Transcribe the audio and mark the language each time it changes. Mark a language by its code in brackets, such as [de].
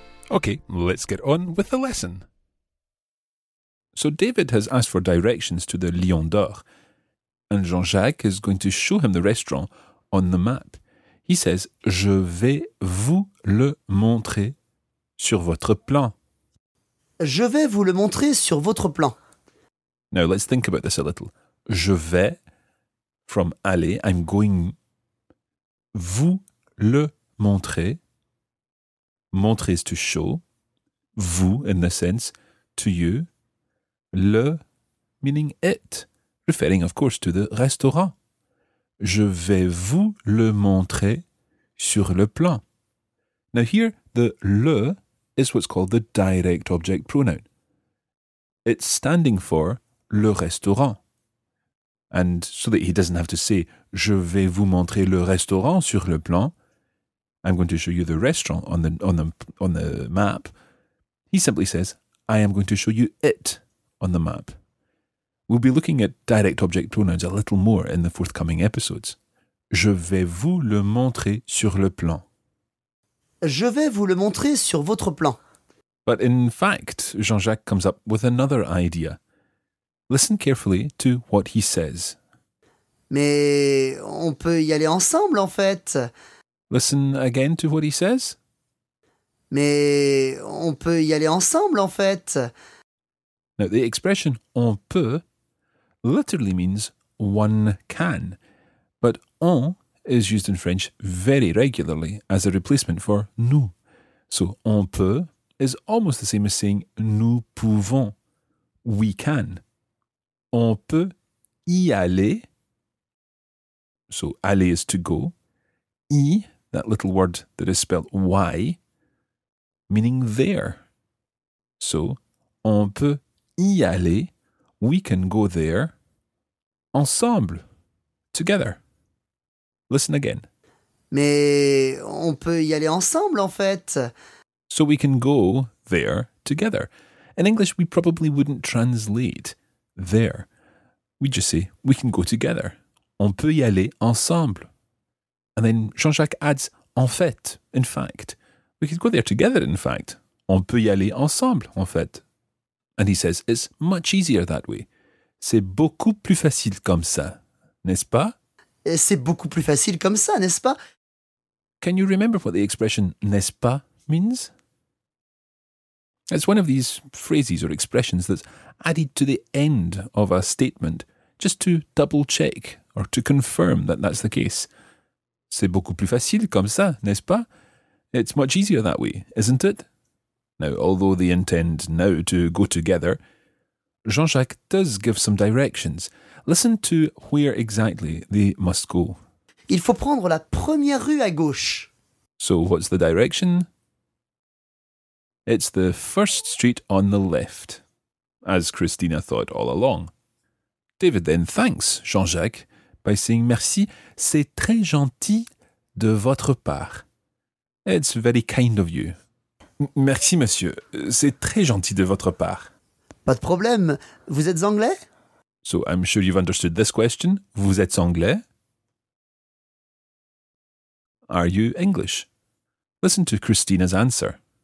[en] Okay, let's get on with the lesson. So David has asked for directions to the Lion d'Or, and Jean-Jacques is going to show him the restaurant on the map. He says, [fr] je vais vous le montrer sur votre plan. Je vais vous le montrer sur votre plan. [en] Now, let's think about this a little. [fr] Je vais, from aller, [en] I'm going, [fr] vous le montrer. [en] Montrer is to show. Vous, in the sense, to you. Le, meaning it. Referring, of course, to the restaurant. [fr] Je vais vous le montrer sur le plan. [en] Now here, the le is what's called the direct object pronoun. It's standing for le restaurant. And so that he doesn't have to say, [fr] je vais vous montrer le restaurant sur le plan. [en] I'm going to show you the restaurant on the map. He simply says, I am going to show you it on the map. We'll be looking at direct object pronouns a little more in the forthcoming episodes. [fr] Je vais vous le montrer sur le plan. Je vais vous le montrer sur votre plan. [en] But in fact, Jean-Jacques comes up with another idea. Listen carefully to what he says. [fr] Mais on peut y aller ensemble, en fait. [en] Listen again to what he says. [fr] Mais on peut y aller ensemble, en fait. [en] Now, the expression on peut literally means one can, but on is used in French very regularly as a replacement for nous. So on peut is almost the same as saying [fr] nous pouvons, [en] we can. [fr] On peut y aller. [en] So aller is to go. Y, that little word that is spelled y, meaning there. So [fr] on peut y aller, [en] we can go there. Ensemble, together. Listen again. [fr] Mais on peut y aller ensemble, en fait. [en] So we can go there together. In English, we probably wouldn't translate there. We just say, we can go together. [fr] On peut y aller ensemble. [en] And then Jean-Jacques adds, en fait, in fact. We could go there together, in fact. [fr] On peut y aller ensemble, en fait. [en] And he says, it's much easier that way. [fr] C'est beaucoup plus facile comme ça, n'est-ce pas? C'est beaucoup plus facile comme ça, n'est-ce pas? [en] Can you remember what the expression n'est-ce pas means? It's one of these phrases or expressions that's added to the end of a statement just to double-check or to confirm that that's the case. [fr] C'est beaucoup plus facile comme ça, n'est-ce pas? [en] It's much easier that way, isn't it? Now, although they intend now to go together, Jean-Jacques does give some directions. Listen to where exactly they must go. [fr] Il faut prendre la première rue à gauche. [en] So what's the direction? It's the first street on the left, as Christina thought all along. David then thanks Jean-Jacques by saying [fr] merci, c'est très gentil de votre part. [en] It's very kind of you. [fr] Merci, monsieur. C'est très gentil de votre part. Pas de problème. Vous êtes anglais? [en] So I'm sure you've understood this question. [fr] Vous êtes anglais? [en] Are you English? Listen to Christina's answer.